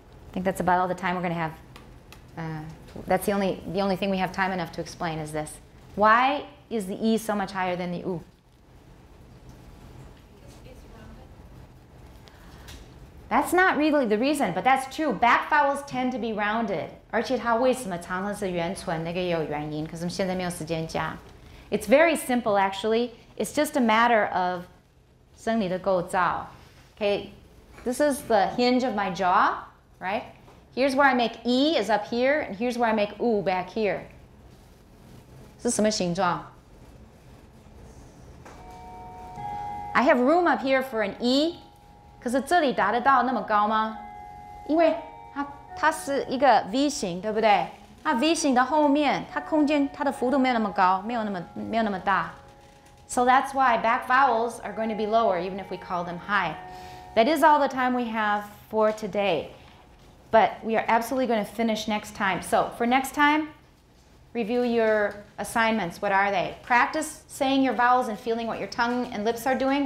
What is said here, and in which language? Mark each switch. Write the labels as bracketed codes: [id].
[en] I think that's about all the time we're going to have. That's the only thing we have time enough to explain is this. Why is the E so much higher than the U? That's not really the reason, but that's true. Back vowels tend to be rounded. [zh] 而且它为什么常常是圆唇，那个也有原因，可是我们现在没有时间讲。 [en] It's very simple, actually. It's just a matter of [zh] 生理的构造。 [en] Okay, this is the hinge of my jaw, right? Here's where I make E is up here, and here's where I make U back here. [zh] 是什么形状？ [en] I have room up here for an E. [zh] 可是这里达得到那么高吗？因为 它是一个 V 型，对不对？它 V 型的后面，它空间它的幅度没有那么高，没有那么大。 [en] So that's why back vowels are going to be lower, even if we call them high. That is all the time we have for today. But we are absolutely going to finish next time. So for next time, review your assignments. What are they? Practice saying your vowels and feeling what your tongue and lips are doing.